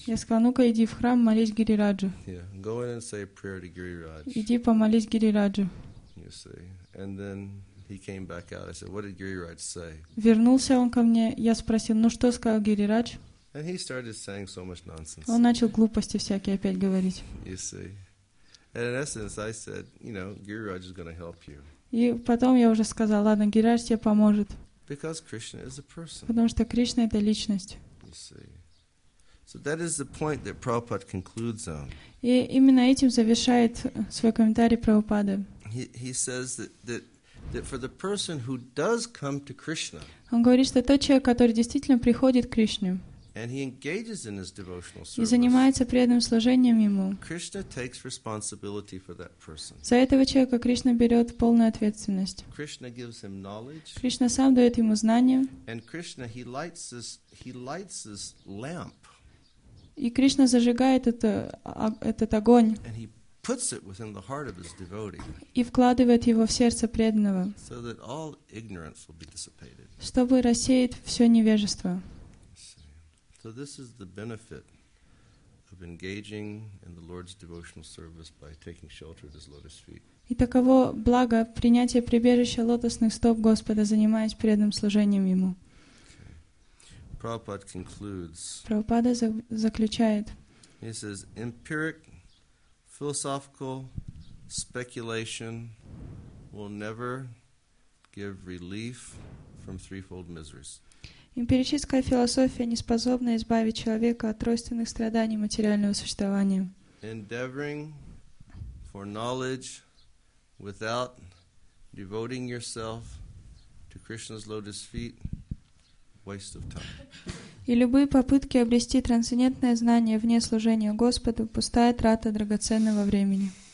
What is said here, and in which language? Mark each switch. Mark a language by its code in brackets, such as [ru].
[ru] Я сказал, ну-ка иди в храм, молись Гирираджу. [en] Yeah, go in and say a prayer to Giriraj. [ru] Иди помолись Гирираджу. [en] You see, and then he came back out. I said, what did Giriraj say? [ru] Вернулся он ко мне, я спросил, ну что сказал Гирирадж? [en] And he started saying so much nonsense. [ru] Он начал глупости всякие опять говорить. [en] You see. And in essence, I said, you know, Giriraj is going to help you. [ru] И потом я уже сказал, ладно, Гирирадж тебе поможет. [en] Because Krishna is a person. [ru] Потому что Кришна — это личность. [en] You see. So that is the point that Prabhupada concludes on. [ru] И именно этим завершает свой комментарий Прабхупада. [en] He says that for the person who does come to Krishna. [ru] Он говорит, что тот человек, который действительно приходит к Кришне. [en] And he engages in his devotional service. [ru] И занимается преданным служением ему. [en] Krishna takes responsibility for that person. [ru] За этого человека Кришна берет полную ответственность. [en] Krishna gives him knowledge. [ru] Кришна сам дает ему знания. [en] And Krishna he lights this lamp. [ru] И Кришна зажигает этот огонь. [en] And he puts it within the heart of his devotee. [ru] И вкладывает его в сердце преданного. [en] So that all ignorance will be dissipated. [ru] Чтобы рассеять все невежество. [en] So this is the benefit of engaging in the Lord's devotional service by taking shelter at His lotus feet. [ru] И таково благо принятия прибежища лотосных стоп Господа, занимаясь преданным служением Ему. [en] Okay. Prabhupada concludes. [ru] Prabhupada заключает. [en] He says, empiric philosophical speculation will never give relief from threefold miseries. [ru] Эмпирическая философия не способна избавить человека от тройственных страданий материального существования. [en] Endeavoring for knowledge without devoting yourself to Krishna's lotus feet, waste of time. [ru] И любые попытки обрести трансцендентное знание вне служения Господу — пустая трата драгоценного времени.